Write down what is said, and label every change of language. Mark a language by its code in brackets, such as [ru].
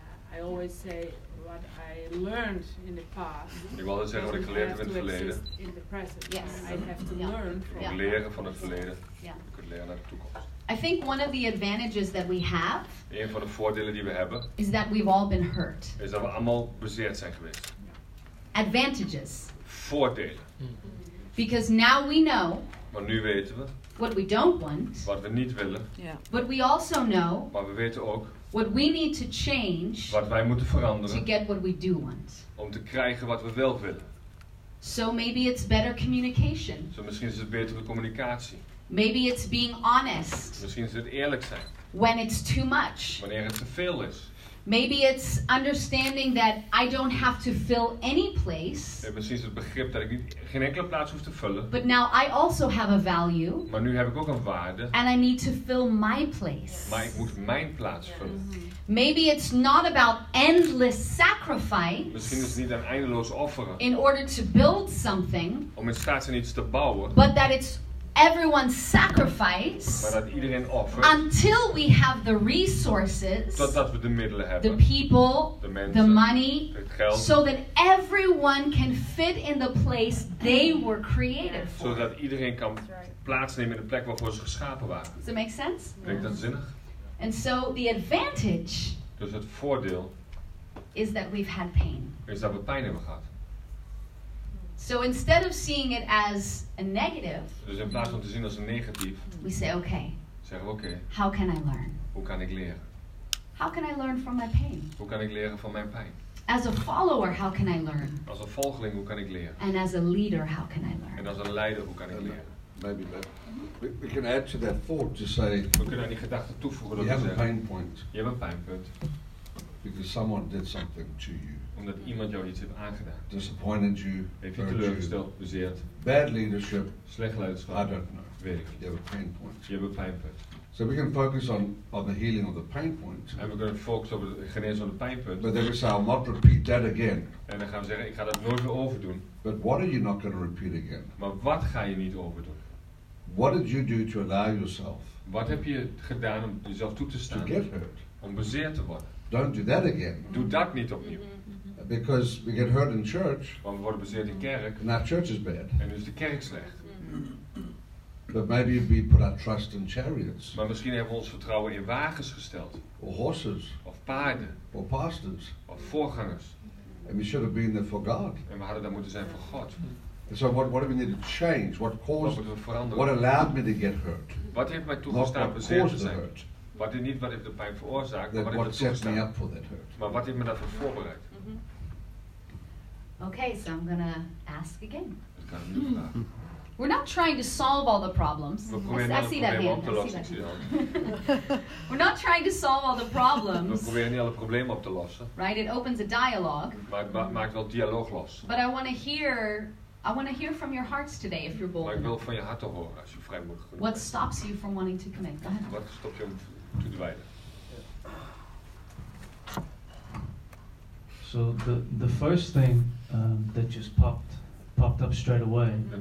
[en] I always say what I learned in the past. [nl] Ik wil altijd zeggen wat ik geleerd heb in het verleden. [en] In the present. Yes. I have to learn from it. [nl] Leren van het verleden. [en] Yeah. [nl] Ik kan leren naar de toekomst. [en] I think one of the advantages that we have. [nl] Een van de voordelen die we hebben. [en] Is that we've all been hurt. [nl] Is dat we allemaal bezeerd zijn geweest. [en] Advantages. [nl] Voordelen. [en] Because now we know. [nl] Maar nu weten we. [en] What we don't want. [nl] Wat we niet willen. [en] Yeah. But we also know. [nl] Maar we weten ook. [en] What we need to change, [nl] wat wij moeten veranderen, [en] to get what we do want, [nl] om te krijgen wat we wel willen. [en] So maybe it's better communication. [nl] Zo misschien is het betere communicatie. [en] Maybe it's being honest. [nl] Misschien is het eerlijk zijn. [en] When it's too much. [nl] Wanneer het te veel is. [en] Maybe it's understanding that I don't have to fill any place. [nl] Ja, misschien is het begrip dat ik niet, geen enkele plaats hoef te vullen. [en] But now I also have a value. [nl] Maar nu heb ik ook een waarde. [en] And I need to fill my place. Yes. [nl] Maar ik moet mijn plaats vullen. Mm-hmm. [en] Maybe it's not about endless sacrifice. [nl] Misschien is het niet een eindeloos offeren. [en] In order to build something. [nl] Om in staat zijn iets te bouwen. [en] But that it's everyone sacrifice, [nl] maar dat iedereen offert, [en] until we have the resources, [nl] totdat we de middelen hebben, [en] the people, [nl] de mensen, [en] the money, [nl] het geld, [en] so that everyone can fit in the place they were created for. [nl] Zodat iedereen kan plaatsnemen in de plek waarvoor ze geschapen waren. [en] Does it make sense? [nl] Klinkt dat zinnig? [en] And so the advantage, [nl] dus het voordeel, [en] is that we've had pain. [nl] Is dat we pijn hebben gehad. [en] So instead of seeing it as a negative, [nl] dus in plaats van te zien als een negatief, [en] we say okay. [nl] Zeggen we okay. [en] How can I learn? [nl] Hoe kan ik leren? [en] How can I learn from my pain? [nl] Hoe kan ik leren van mijn pijn? [en] As a follower, how can I learn? [nl] Als een volgeling, hoe kan ik leren? [en] And as a leader, how can I learn? [nl] En als een leider, hoe kan ik leren? [en] Maybe we can add to that thought to say. [nl] We kunnen aan die gedachte toevoegen dat je een [en] pain point. [nl] Je hebt een pijnpunt. [en] Because someone did something to you. [nl] Omdat iemand jou iets heeft aangedaan. [en] Disappointed you. [nl] Heeft je teleurgesteld, bezeerd. [en] Bad leadership. [nl] Slecht leiderschap. [en] I don't know. [nl] Weet ik niet. [en] You have a pain point. [nl] Je hebt een pijnpunt. [en] So we can focus on the healing of the pain point. [nl] En we kunnen focussen op het genezen van de pijnpunt. [en] But then we say, I'll not repeat that again. [nl] En dan gaan we zeggen, ik ga dat nooit meer overdoen. [en] But what are you not going to repeat again? [nl] Maar wat ga je niet overdoen? [en] What did you do to allow yourself? [nl] Wat heb je gedaan om jezelf toe te staan? [en] To get hurt. [nl] Om bezeerd te worden. [en] Don't do that again. [nl] Doe dat niet opnieuw. [en] Because we get hurt in church. [nl] Want we worden bezeerd in kerk. [en] And our church is bad. [nl] En is de kerk slecht. [en] But maybe we put our trust in chariots. [nl] Maar misschien hebben we ons vertrouwen in wagens gesteld. [en] Or horses. [nl] Of paarden. [en] Or pastors. [nl] Of voorgangers. [en] And we should have been there for God. [nl] En we hadden daar moeten zijn voor God. [en] So what do we need to change? What caused? [nl] Wat veranderen? [en] What allowed me to get hurt? [nl] Wat heeft mij toegestaan bezeerd te zijn? Wat is niet wat heeft de pijn veroorzaakt, maar wat heeft [en] set me up for that hurt? [nl] Maar wat heeft me daarvoor voorbereid? [en] Okay, so I'm gonna ask again. We're not trying to solve all the problems. I see that hand. We're not trying to solve all the problems. [nl] We proberen niet alle problemen op te lossen. [en] Right? It opens a dialogue. [nl] Maakt wel dialoog los. [en] But I want to hear from your hearts today, if you're bold. [nl] Maar ik wil van je hart horen als je vrij moet. [en] What stops you from wanting to commit? Go ahead. [nl] Wat stopt je om te dwijlen? [en] So the first thing that just popped up straight away.